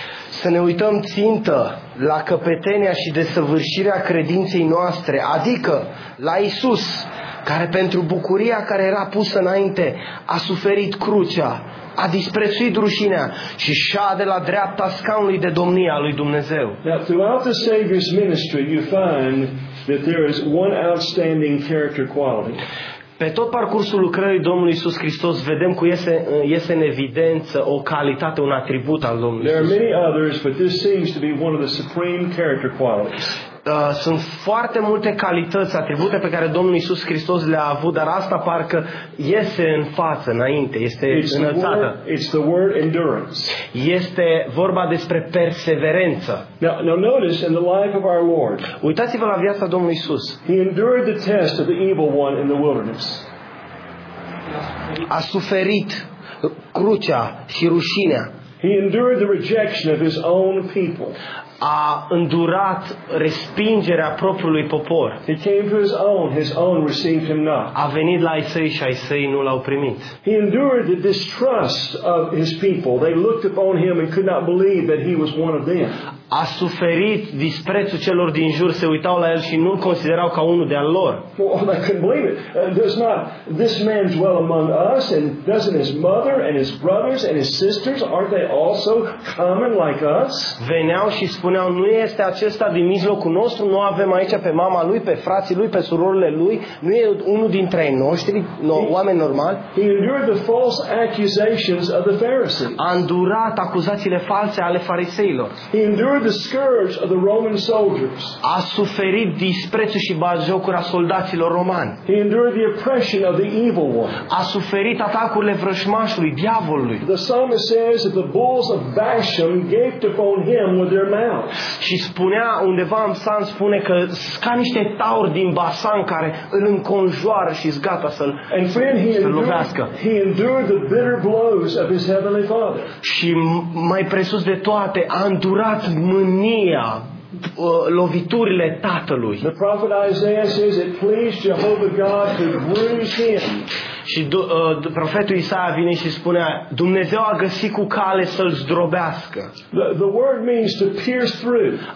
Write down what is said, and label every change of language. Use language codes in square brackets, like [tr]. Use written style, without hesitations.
[ro] Să ne uităm țintă la căpetenia și desăvârșirea credinței noastre, adică la Iisus, care pentru bucuria care era pusă înainte a suferit crucea, a disprețuit rușinea și șade la dreapta scaunului de domnia lui Dumnezeu. [en] Now, throughout the Savior's ministry, you find that there is one outstanding character quality. [ro] Pe tot parcursul lucrării Domnului Iisus Hristos vedem că iese în evidență o calitate, un atribut al Domnului. [en] There are many others, but this seems to be one of the supreme character qualities. [ro] Sunt foarte multe calități, atribute pe care Domnul Iisus Hristos le-a avut, dar asta parcă iese în față, înainte, este înălțată. [en] It's the word endurance. [ro] Este vorba despre perseverență. [en] Now notice in the life of our Lord. [ro] Uitați-vă la viața Domnului Iisus. [en] He endured the test of the evil one in the wilderness. [ro] A suferit crucea și rușinea. [en] He endured the rejection of his own people. [ro] A îndurat respingerea propriului popor. [en] He came to his own received him not. [ro] A venit la ai săi și ai săi nu l-au primit. [en] He endured the distrust of his people. They looked upon him and could not believe that he was one of them. [ro] A suferit disprețul celor din jur, se uitau la el și nu-l considerau ca unul de al lor. [en] Well, I couldn't believe it. Does not this man dwell among us, and doesn't his mother and his brothers and his sisters, aren't they also common like us? [ro] Veneau și spuneau, nu este acesta din mijlocul nostru, nu avem aici pe mama lui, pe frații lui, pe surorile lui, nu e unul dintre ai noștri, oameni normali? [en] He endured the false accusations of the Pharisees. [ro] A îndurat acuzațiile false ale fariseilor. [en] He endured the scourge of the Roman soldiers. [ro] A suferit disprețul și batjocura soldaților romani. [en] He endured the oppression of the evil one. [ro] A suferit atacurile vrăjmașului, diavolului. [en] The psalmist says that the bulls of Bashan gaped upon him with their [ro] și spunea undeva în psalm, spune că sunt ca niște tauri din Basan care îl înconjoară și-s gata să-l lovească. [en] He endured the bitter blows of his heavenly father. [ro] Și mai presus de toate, a îndurat mânia, loviturile tatălui. [en] The prophet Isaiah says it pleased Jehovah God to bruise him. [ro] Și profetul Isaia vine și spunea, Dumnezeu a găsit cu cale să-l zdrobească. [en] The word means to pierce through.